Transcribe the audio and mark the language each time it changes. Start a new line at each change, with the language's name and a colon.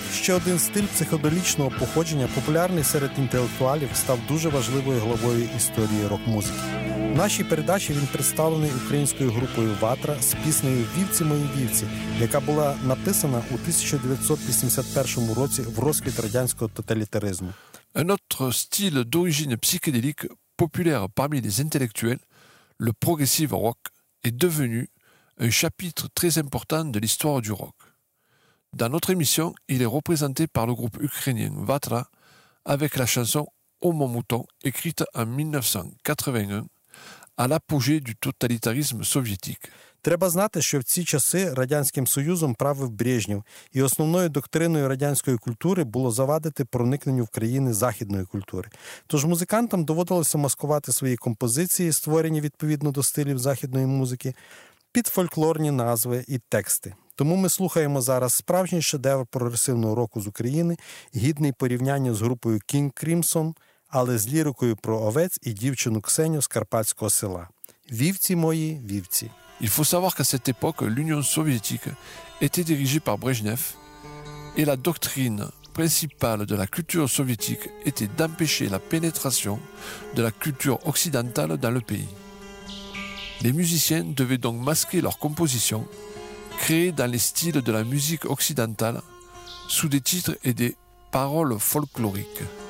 Ukrainian: Ще один стиль психоделічного походження, популярний серед інтелектуалів, став дуже важливою головою історії рок-музики. В нашій передачі він представлений українською групою «Ватра» з піснею «Вівці, мої вівці», яка була написана у 1981 році в розквіт радянського тоталітаризму.
French: Un autre style d'origine psychédélique, populaire parmi les intellectuels, le progressive rock, est devenu un chapitre très important de l'histoire du rock. Dans notre émission, il est représenté par le groupe ukrainien Vatra avec la chanson « Oh mon mouton » écrite en 1981 à l'apogée du totalitarisme soviétique.
Ukrainian: Треба знати, що в ці часи Радянським Союзом правив Брежнєв, і основною доктриною радянської культури було завадити проникненню в країни західної культури. Тож музикантам доводилося маскувати свої композиції, створені відповідно до стилів західної музики, під фольклорні назви і тексти. Тому ми слухаємо зараз справжній шедевр прогресивного року з України, гідний порівняння з групою King Crimson, але з лірикою про овець і дівчину Ксеню з Карпатського села. Вівці мої, вівці.
French: Il faut savoir qu'à cette époque, l'Union soviétique était dirigée par Brezhnev et la doctrine principale de la culture soviétique était d'empêcher la pénétration de la culture occidentale dans le pays. Les musiciens devaient donc masquer leurs compositions créés dans les styles de la musique occidentale, sous des titres et des paroles folkloriques.